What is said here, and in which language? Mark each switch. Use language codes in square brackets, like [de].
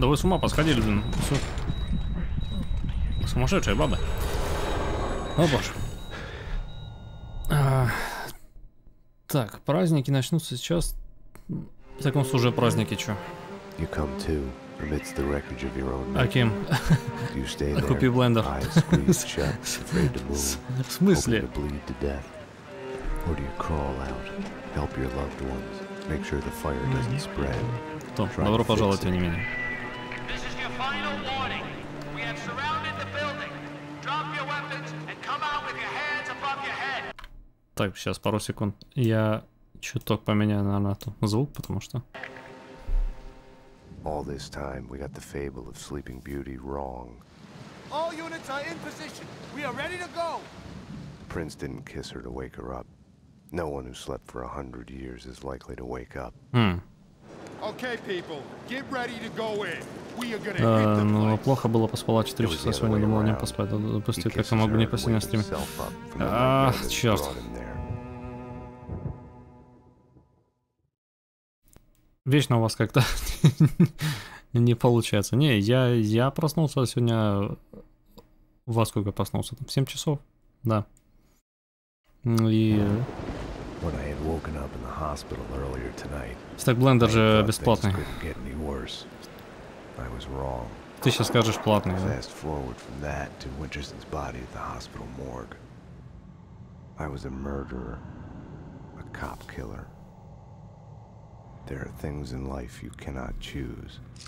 [ru] Да вы с ума посходили, блин. Все. Сумасшедшая баба. О боже. Так, праздники начнутся сейчас. В таком случае праздники, чё? [en] You come too, amidst the wreckage of your own. [ru] Аким. [en] You stay there. [ru] Купи блендер. [en] Eyes squeezed shut, afraid to move. [ru] В смысле? [en] Or do you crawl out, help your loved ones, make sure the fire doesn't spread? [ru] Добро пожаловать, тем не менее. [en] This is your final warning. We have surrounded the building. Drop your weapons and come out with your hands above your head. [ru] Так, сейчас пару секунд. Я чуток поменяю, наверное, тут звук, потому что. [en] All this time we got the fable of Sleeping Beauty wrong. All units are in position. We are ready to go. Prince didn't kiss her to wake her up. No one who slept for 100 years is likely to wake up. Okay, people, get ready to go in. We are gonna hit the place. [ru] Ну, плохо было поспала 4 часа сегодня, думал о нем поспать. Да, допустим, как я мог бы не поспать на стриме. Ах, черт. Вечно у вас как-то не получается. Не, я проснулся сегодня... Во сколько проснулся? Там 7 часов? Да. И... [en] When I had woken up in the hospital earlier tonight, [ru] так блендер же бесплатный. [en] Couldn't get any worse. I was wrong. [ru] Ты сейчас скажешь платный. [en] Fast forward from that to Winterson's body at the hospital morgue. I was a murderer, a cop killer. There are things in life you cannot choose.